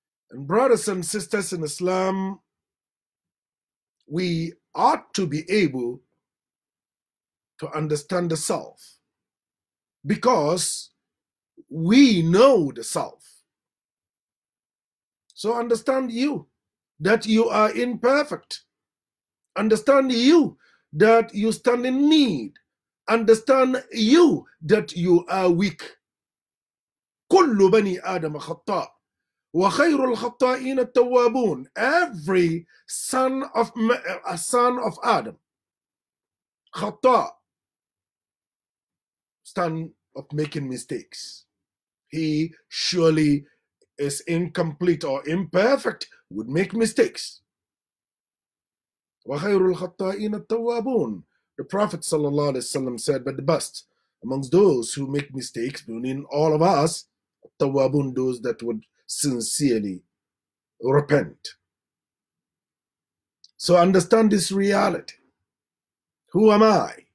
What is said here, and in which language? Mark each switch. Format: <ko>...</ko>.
<en>And brothers and sisters in Islam, we ought to be able to understand the self, because we know the self. So understand you, that you are imperfect. Understand you, that you stand in need. Understand you, that you are weak.</en> <ar>كُلُّ بَنِي آدَمَ خَطَّاءٌ وخير الخطائين التوابون.</ar> <en>Every son of Adam,</en> <ar>خطأ,</ar> <en>stand of making mistakes. He surely is incomplete or imperfect, would make mistakes.</en> <ar>وخير الخطائين التوابون.</ar> <en>The Prophet sallallahu alaihi wasallam said, but the best amongst those who make mistakes, meaning all of us,</en> <ar>التوابون,</ar> <en>those that would sincerely repent. So understand this reality. Who am I?</en>